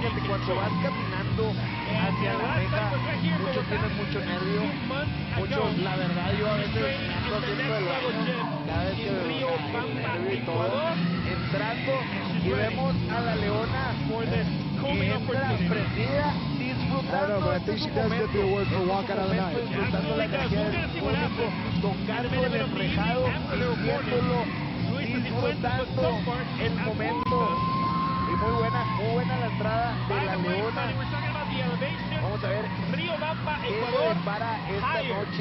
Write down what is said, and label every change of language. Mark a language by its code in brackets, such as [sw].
[es] Fíjate, cuando vas caminando hacia la meta, muchos tienen mucho nervio, muchos, la verdad, yo a veces ando dentro del baño, cada vez que me veo el nervio y todo, entrando, y vemos a la Leona, que entra prendida. [en] I don't know, but I think she does get the award for walk out of the night. [es] Disfrutando la energía del público, tocando el enrejado, viéndolo, disfrutando el momento. Y muy buena la entrada de la Leona. Vamos a ver qué le depara esta noche. noche en el mercado de Naciones.